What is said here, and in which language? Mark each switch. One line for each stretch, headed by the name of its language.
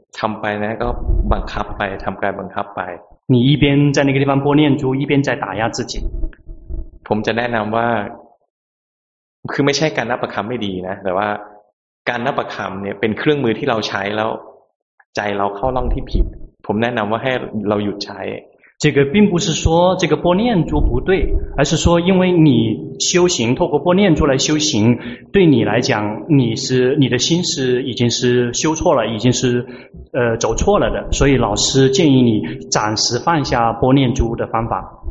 Thai: ทำไปนะก็บังคับไปทำกายบังคับไป
Chinese: 你一边在那个地方播念珠一边在打压自己
Thai: ผมจะแนะนำว่าคือไม่ใช่การนับประคำไม่ดีนะแต่ว่าการนับประคำเนี่ยเป็นเครื่องมือที่เราใช้แล้วใจเราเข้าล่องที่ผิดผมแนะนำว่าให้เราหยุดใช้
Chinese: 这个并不是说这个波念珠不对而是说因为你修行透过波念珠来修行对你来讲你的心是已经是修错了已经是走错了的所以老师建议你暂时放下波念珠的方法